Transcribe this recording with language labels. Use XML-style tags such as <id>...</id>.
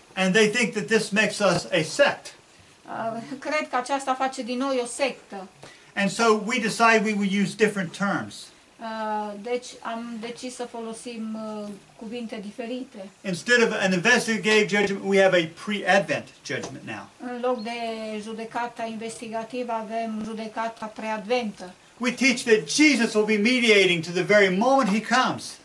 <en>And they think that this makes us a sect.</en> <ro>Cred că aceasta face din noi o sectă.</ro> <en>And so we decide we will use different terms.</en> <ro>Deci am decis să folosim cuvinte diferite.</ro> <en>Instead of an investigative judgment, we have a pre-advent judgment now.</en> <ro>În loc de judecata investigativă, avem judecata preadventă.</ro> <en>We teach that Jesus will be mediating to the very moment he comes.</en>